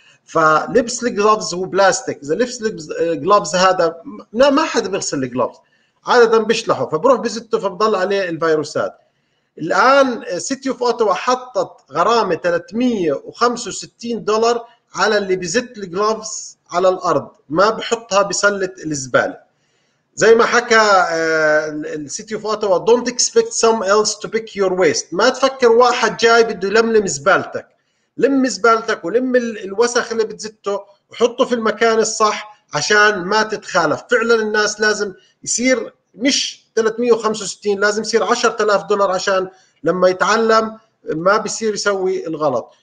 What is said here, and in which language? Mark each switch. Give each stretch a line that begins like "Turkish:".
Arabic: فلبس الجلوفز هو بلاستيك، إذا لبس الجلوفز هذا ما حد بيغسل الجلوفز، عادة بيشلحه فبروح بزته فبضل عليه الفيروسات. الآن سيتي أوف أوتوا حطت غرامة $365 على اللي بزت الجلوفز على الأرض، ما بحطها بسلة الزبالة. زي ما حكى
English: السيتي of Ottawa, don't expect some else to pick your waste.
Arabic: ما تفكر واحد جاي بده يلملم زبالتك، لم زبالتك ولم الوسخ اللي بتزته وحطه في المكان الصح عشان ما تتخالف. فعلا الناس لازم يصير مش 365، لازم يصير $10,000 عشان لما يتعلم ما بيصير يسوي الغلط.